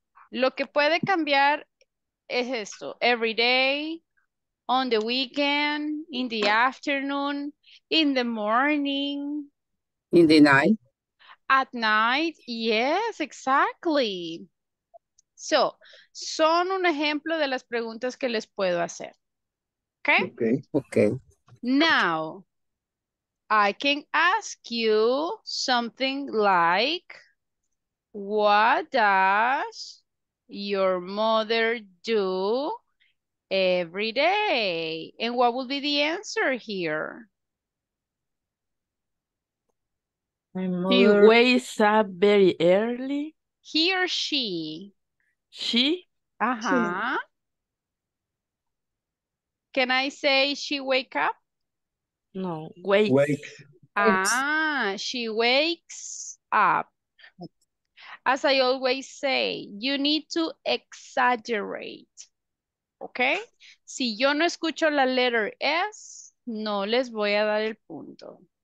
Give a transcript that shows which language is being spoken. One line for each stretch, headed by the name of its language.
Spanish: Lo que puede cambiar es esto,
English: every day, on the weekend, in the afternoon, in the morning. In the night. At night, yes, exactly.
Spanish: So, son un ejemplo de las preguntas que les puedo hacer.
English: Okay? Okay. Now, I can ask you something like, what does your mother do Every day. And what would be the answer here? He wakes up very early. He or she? She? Uh-huh. She. Can I say she wake up? No, wakes. Wake. Ah, she wakes up. As I always say, you need to exaggerate. Okay?
Spanish: Si yo no escucho la letter S, no les voy a dar el punto.